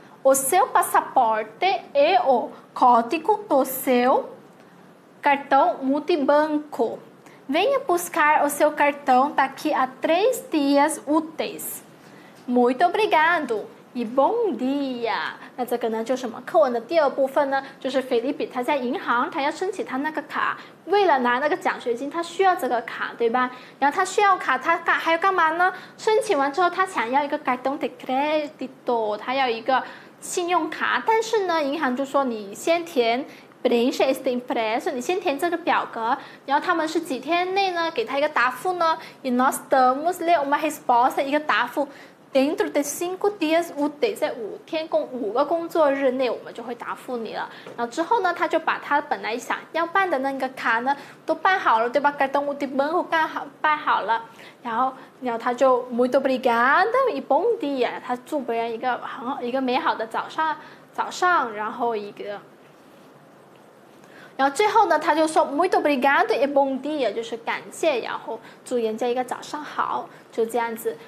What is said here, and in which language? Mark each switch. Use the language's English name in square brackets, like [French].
[Portuguese] O seu passaporte e o código do seu cartão multibanco. Venha buscar o seu cartão daqui a 3 dias úteis. Muito obrigado e bom dia. [Chinese] 那这个呢就是我们课文的第二部分呢，就是Felipe他在银行，他要申请他那个卡，为了拿那个奖学金，他需要这个卡，对吧？然后他需要卡，他还要干嘛呢？申请完之后，他想要一个 cartão de crédito， 他要一个信用卡，但是呢，银行就说你先填 [Portuguese] preencher este impresso， [Chinese] 你先填这个表格，然后他们是几天内呢给他一个答复呢 ？ [Portuguese] E nós damos lhe uma resposta [Chinese] 一个答复。 [Portuguese] Dentro de cinco dias úteis, [Chinese] 在五个工作日内，我们就会答复你了。然后之后呢，他就把他本来想要办的那个卡呢，都办好了，对吧？ cartão multibanco办好了。然后他就 [Portuguese] muito obrigado e bom dia， [Chinese] 他祝别人一个美好的早上，然后一个。然后最后呢，他就说 [Portuguese] muito obrigado e bom dia， [Chinese] 就是感谢，然后祝人家一个早上好，就这样子。